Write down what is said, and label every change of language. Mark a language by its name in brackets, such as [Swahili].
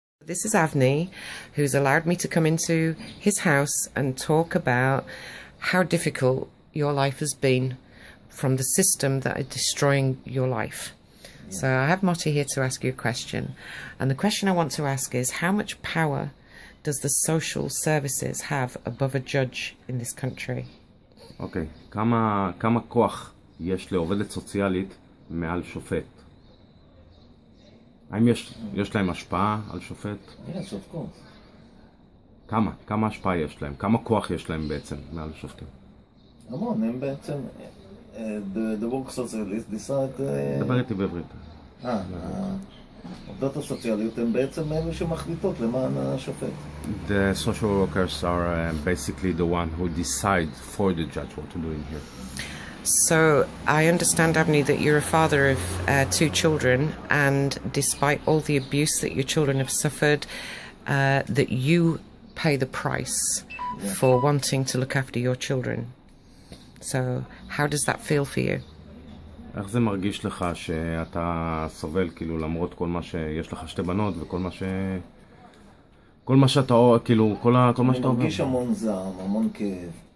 [English] This is Avni, who's allowed me to come into his house and talk about how difficult your life has been from the system that are destroying your life. Yeah. So I have Motti here to ask you a question. And the question I want to ask is, how much power does the social services have above a judge in this country? Okay. [Hebrew] כמה כוח יש לעובדת סוציאלית מעל שופט? האם יש להם השפעה על שופט? [English] Yes, of course. [Hebrew] כמה השפעה יש להם? כמה כוח יש להם בעצם מעל שופטים? המון, הם בעצם... [English] The work socialist decide... [Hebrew] דברתי בעברית. עובדות הסוציאליות הם בעצם הם שמחליטות למען השופט. [English] The social workers are basically the one who decide for the judge what to do in here. So I understand, Avni, that you're a father of two children, and despite all the abuse that your children have suffered, that you pay the price for wanting to look after your children. So how does that feel for you? [Hebrew] איך זה מרגיש לך שאתה סובל, כאילו, למרות כל מה שיש לך שתי בנות וכל מה ש... כל מה שאתה, כאילו, כל מה שאתה עובד? אני מרגיש המון זעם, המון כאב.